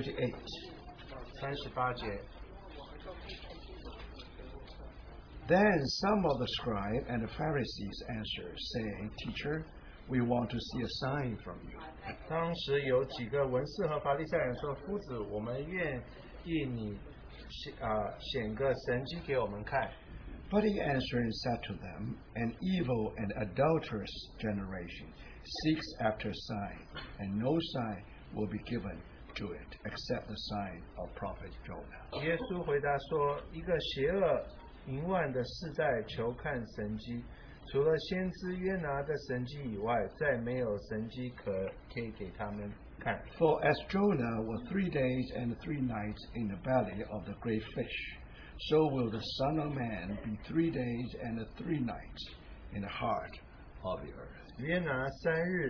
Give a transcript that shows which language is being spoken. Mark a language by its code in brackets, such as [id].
[en] Verse 38. 38节. Then some of the scribes and the Pharisees answered, saying, Teacher, we want to see a sign from you. [zh] 当时有几个文士和法利赛人说，夫子，我们愿意你显个神迹给我们看。 [en] But he answered and said to them, An evil and adulterous generation seeks after a sign, and no sign will be given to it except the sign of prophet Jonah. [zh] 耶稣回答说，一个邪恶淫乱的世代求看神迹。除了先知约拿的神迹以外，再没有神迹可以给他们看。 [en] For as Jonah was 3 days and 3 nights in the belly of the great fish, so will the Son of Man be 3 days and 3 nights in the heart of the earth.